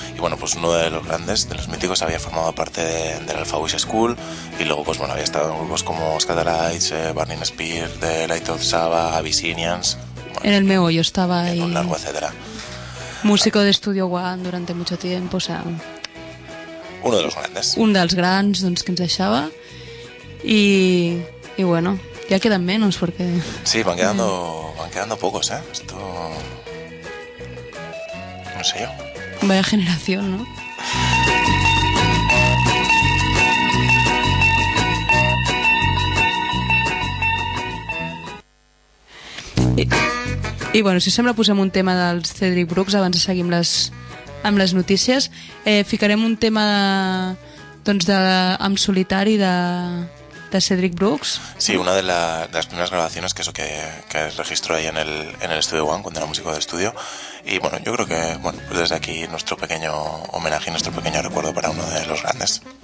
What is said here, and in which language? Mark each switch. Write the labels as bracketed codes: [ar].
[es] Y bueno, pues uno de los grandes, de los míticos, había formado parte del Alpha Wish School, y luego pues bueno, había estado en grupos como Scatterlights, Burning Spear, The Light of Saba, Abyssinians... Bueno, en el meollo estaba ahí. En un largo etcétera. Músico de Studio One durante mucho tiempo, o sea... Uno de los grandes. [ca] Un dels grans, doncs, que ens deixava. [es] Y bueno, ya quedan menos, porque... Sí, van quedando pocos, ¿eh? Esto... No sé yo. Vaya generación, ¿no? [ca] I bueno, si sembla, posem un tema del Cedric Brooks abans de seguir amb les notícies. Ficarem un tema amb solitari de Cedric Brooks. [es] Sí, una de las primeras grabaciones que registró ahí en el Studio One, cuando era músico de estudio. Y bueno, yo creo que bueno, pues desde aquí nuestro pequeño homenaje y nuestro pequeño recuerdo para uno de los grandes.